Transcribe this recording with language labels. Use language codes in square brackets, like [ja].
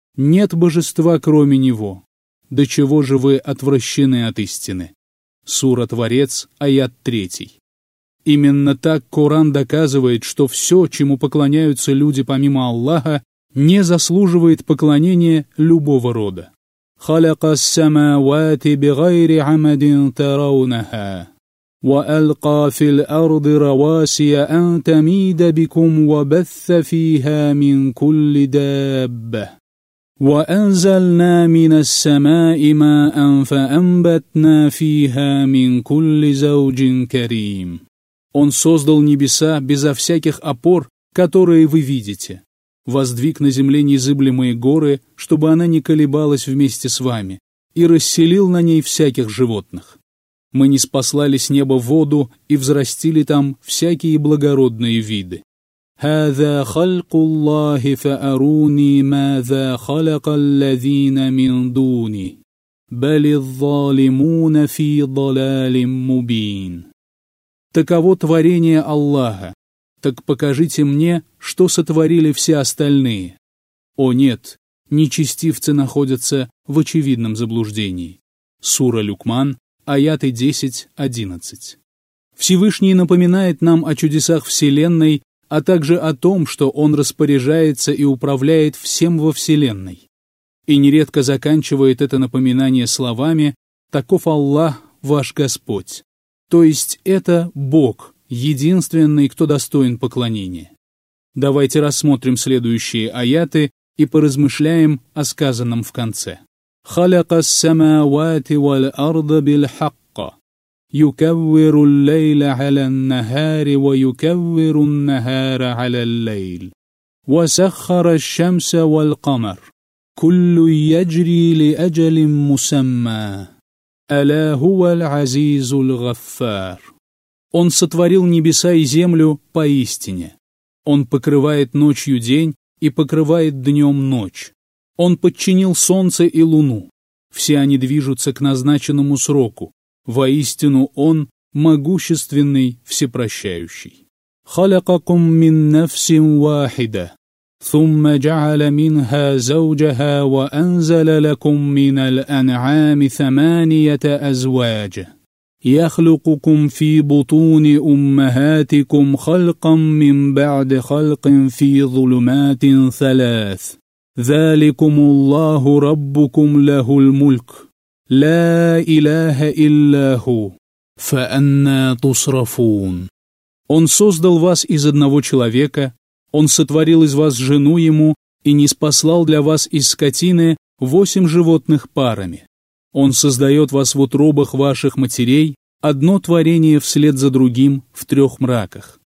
[ru] Нет божества, кроме Него. До чего же вы отвращены от истины?» Сура Творец, аят 3. Именно так Коран доказывает, что все, чему поклоняются люди помимо Аллаха, не заслуживает поклонения любого рода. [ar] خلق السماوات بغير عمد ترونها وألقى في الأرض رواسي أن تميد بكم وبث فيها من كل دابة وأنزلنا من السماء ماء فأنبتنا فيها من كل زوج كريم. [ru] Он создал небеса безо всяких опор, которые вы видите. Воздвиг на земле незыблемые горы, чтобы она не колебалась вместе с вами, и расселил на ней всяких животных. Мы ниспослали с неба воду и взрастили там всякие благородные виды. [ar] هذا خلق الله فأروني ماذا خلق الذين من دوني بل الظالمون في ضلال مبين. [ru] Таково творение Аллаха. Так покажите мне, что сотворили все остальные. О нет, нечестивцы находятся в очевидном заблуждении. Сура Люкман, аяты 10-11. Всевышний напоминает нам о чудесах Вселенной, а также о том, что Он распоряжается и управляет всем во Вселенной. И нередко заканчивает это напоминание словами: «Таков Аллах, ваш Господь». То есть это Бог, единственный, кто достоин поклонения. Давайте рассмотрим следующие аяты и поразмышляем о сказанном в конце. [ar] خلق السماوات والأرض بالحق يكور الليل على النهار ويكور النهار على الليل وسخر الشمس والقمر كل يجري لأجل مسمى ألا هو العزيز الغفار. [ru] Он сотворил небеса и землю поистине. Он покрывает ночью день и покрывает днем ночь. Он подчинил солнце и луну. Все они движутся к назначенному сроку. Воистину Он могущественный, всепрощающий. [ar] خلقكم من نفس واحدة ثم جعل منها زوجها وأنزل لكم من الأنعام ثمانية أزواج يخلقكم في بطون أمهاتكم خلقا من بعد خلق في ظلمات ثلاث ذلكم الله ربكم له الملك لا إله إلا هو فأنى تصرفون. [ru] Он создал вас из одного человека, Он сотворил из вас жену ему и ниспослал для вас из скотины восемь животных парами. Он создает вас в утробах ваших матерей, одно творение вслед за другим в трех мраках.